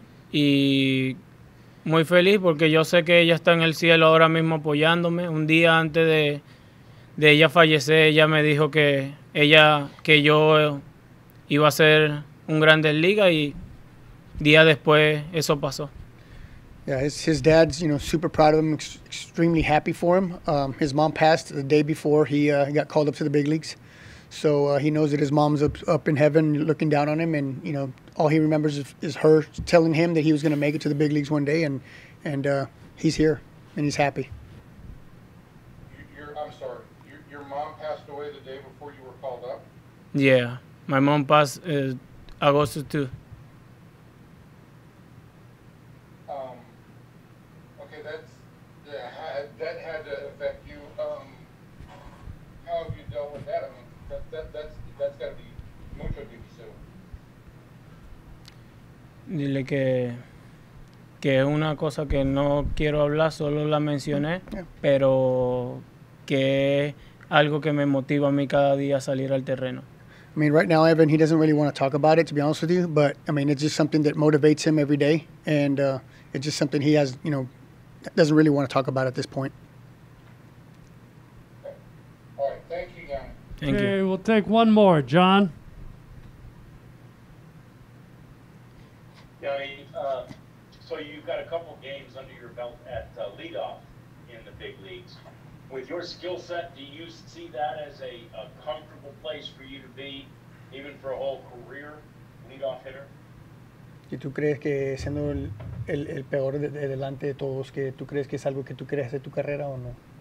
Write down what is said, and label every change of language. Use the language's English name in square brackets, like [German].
[Spanish] Y muy feliz porque yo sé que ella está en el cielo ahora mismo apoyándome. Un día antes de ella fallecer, ella me dijo que yo iba a ser un Grandes Ligas, y día después eso pasó. [English] Yeah, his dad's, you know, super proud of him, extremely happy for him. His mom passed the day before he got called up to the big leagues. So he knows that his mom's up in heaven looking down on him. And, you know, all he remembers is her telling him that he was going to make it to the big leagues one day. And he's here and he's happy. You I'm sorry. Your mom passed away the day before you were called up? Yeah. My mom passed August 2. Okay, that had to affect you. How have you dealt with that? I mean, that's got to be [Spanish] mucho difícil. Dile que es una cosa que no quiero hablar, solo la mencioné, pero que algo que me motiva a mí cada día salir al terreno. [English] I mean, right now, Evan, he doesn't really want to talk about it, to be honest with you, but, I mean, it's just something that motivates him every day, and it's just something he has, you know, doesn't really want to talk about at this point. Okay. All right, thank you, guys. Thank you. Okay, we'll take one more. John? Yeah, so you've got a couple games under your belt at leadoff in the big leagues. With your skill set, do you see that as a comfortable place for you to be, even for a whole career, leadoff hitter? [Spanish] ¿Y tú crees que siendo el peor de delante de todos, que tú crees que es algo que tú quieres hacer tu carrera o no?